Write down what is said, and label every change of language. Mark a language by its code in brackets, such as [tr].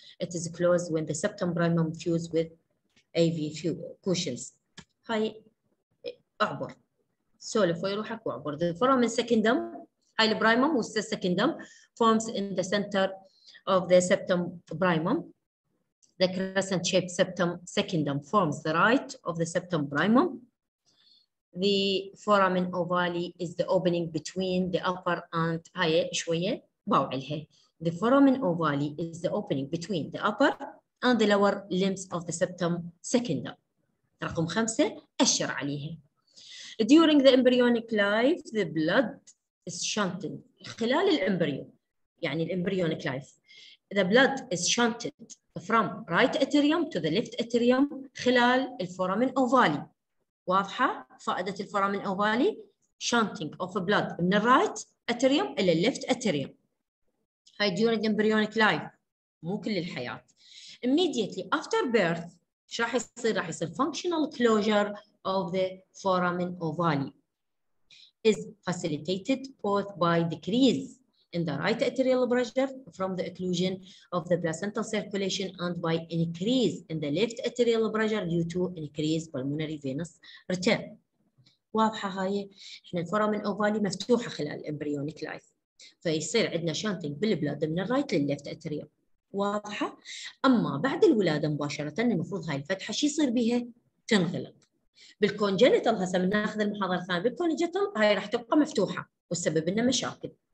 [en] It is closed when the septum primum fuses with AV cushions. هاي اعبر سولف ويروحك واعبر. The foramen secundum، [ar] هاي البرايمم والسكندم، [en] forms in the center of the septum primum. The crescent shaped septum secundum forms the right of the septum primum. The foramen ovale is the opening between the upper and [ar] هاي شويه باوعلها. [en] The foramen ovale is the opening between the upper and the lower limbs of the septum secundum. [ar] رقم خمسة أشر عليها. [en] During the embryonic life the blood is shunted، [ar] خلال الامبريو يعني الامبريونيك لايف، [en] the blood is shunted from right atrium to the left atrium [ar] خلال الفورامن اوفالي. واضحة فائدة الفورامن اوفالي؟ [en] shunting of blood [ar] من الرايت اتريوم إلى اللفت اتريوم. هاي [en] during embryonic life [ar] مو كل الحياة. [en] Immediately after birth [ar] شو راح يصير؟ راح يصير [en] functional closure of the foramen ovale is facilitated both by decrease in the right arterial pressure from the occlusion of the placental circulation and by increase in the left arterial pressure due to increased pulmonary venous return. [ar] واضحة هاي؟ احنا الفورامن ovale مفتوحة خلال [en] embryonic life [ar] فيصير عندنا شانتنج بالبلاد من الرايت للليفت اتريوم. واضحه؟ اما بعد الولاده مباشره المفروض هاي الفتحه شو يصير بها؟ تنغلق. بالكونجنتال هسه بناخذ المحاضره الثانيه، بالكونجنتال هاي راح تبقى مفتوحه وتسبب لنا مشاكل.